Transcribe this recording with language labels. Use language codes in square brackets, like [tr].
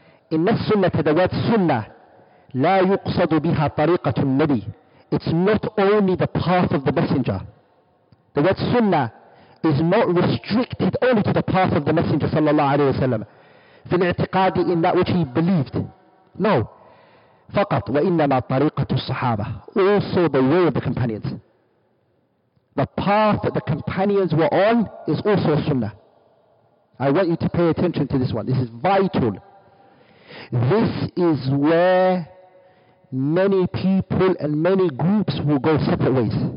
[en] In the sunnah, the word sunnah, [ar] لا يقصد بها طريقة النبي. [en] It's not only the path of the messenger. The word sunnah is not restricted only to the path of the messenger صلى الله عليه وسلم. [ar] في الاعتقاد [en] in that which he believed. No. [ar] فقط وإنما طريقة الصحابة. [en] Also the way of the companions. The path that the companions were on is also a sunnah. I want you to pay attention to this one. This is vital. This is where many people and many groups will go separate ways.